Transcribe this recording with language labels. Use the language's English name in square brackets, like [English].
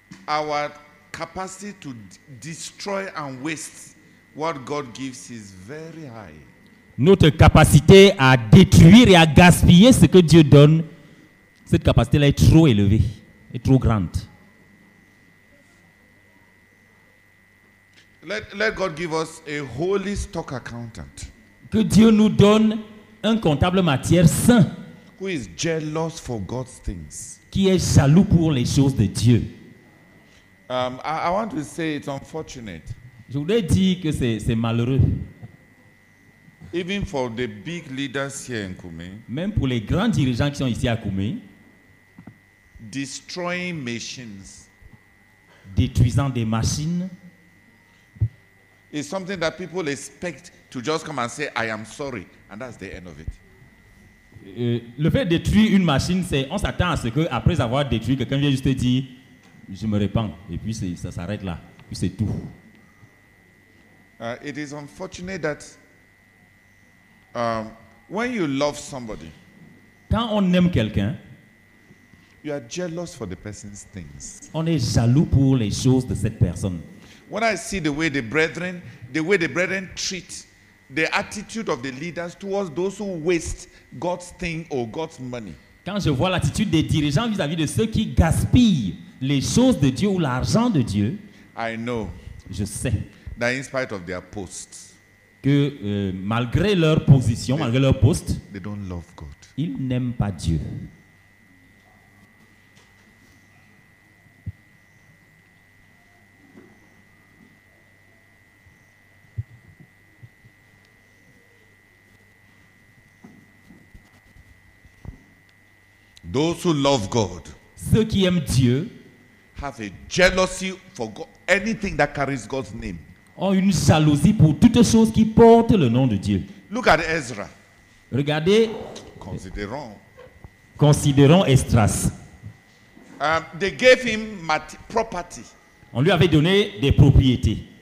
[English] Our capacity to destroy and waste what God gives is very high. [French] Notre capacité à détruire et à gaspiller ce que Dieu donne, cette capacité-là est trop élevée, est trop grande. [English] Let God give us a holy stock accountant. [French] Que Dieu nous donne un comptable matière saint. [English] Who is jealous for God's things. [French] Qui est jaloux pour les choses de Dieu. [English] I want to say it's unfortunate. [French] Je voudrais dire que c'est malheureux. [English] Even for the big leaders here in Koumé, [French] même pour les grands dirigeants qui sont ici à Koumé, [English] destroying machines, [French] détruisant des machines, [English] is something that people expect to just come and say, "I am sorry," and that's the end of it. [French] Le fait de détruire une machine, c'est on s'attend à ce que après avoir détruit, quelqu'un vient juste dire, "Je me répands," et puis ça s'arrête là, puis c'est tout. [English] It is unfortunate that when you love somebody, [French] quand on aime quelqu'un, [English] you are jealous for the person's things. [French] On est jaloux pour les choses de cette personne. [English] When I see the way the brethren treat the attitude of the leaders towards those who waste God's thing or God's money. [French] Quand je vois l'attitude des dirigeants vis-à-vis de ceux qui gaspillent les choses de Dieu ou l'argent de Dieu, [English] I know. [French] Je sais. [English] That in spite of their posts, [French] que malgré leur position, malgré leur poste, [English] they don't love God. [French] Ils n'aiment pas Dieu. [English] Those who love God, [French] ceux qui aiment Dieu, [English] have a jealousy for God, anything that carries God's name. [French] Ont une jalousie pour toutes choses qui portent le nom de Dieu. [English] Look at Ezra. [French] Regardez. Considérons Esdras. [English] They gave him property. [French] On lui avait donné des propriétés.